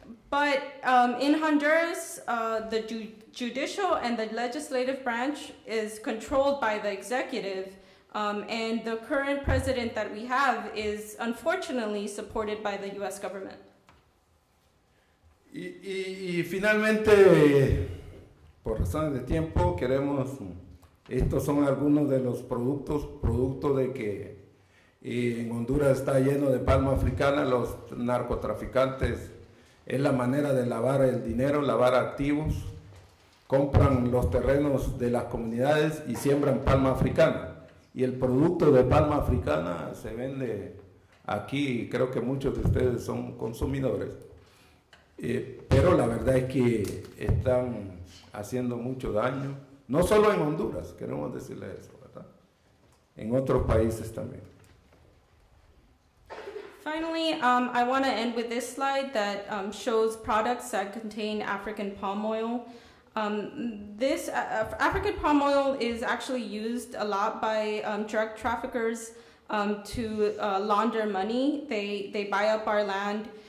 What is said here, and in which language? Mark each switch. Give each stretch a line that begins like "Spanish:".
English: But in Honduras, the judicial and the legislative branch is controlled by the executive, and the current president that we have is unfortunately supported by the U.S. government.
Spanish: Y finalmente, por razones de tiempo, queremos, estos son algunos de los productos, producto de que en Honduras está lleno de palma africana, los narcotraficantes. Es la manera de lavar el dinero, lavar activos. Compran los terrenos de las comunidades y siembran palma africana. Y el producto de palma africana se vende aquí. Creo que muchos de ustedes son consumidores. Pero la verdad es que están haciendo mucho daño. No solo en Honduras, queremos decirles eso, ¿verdad? En otros países también.
English: Finally, I want to end with this slide that shows products that contain African palm oil. This African palm oil is actually used a lot by drug traffickers to launder money. They buy up our land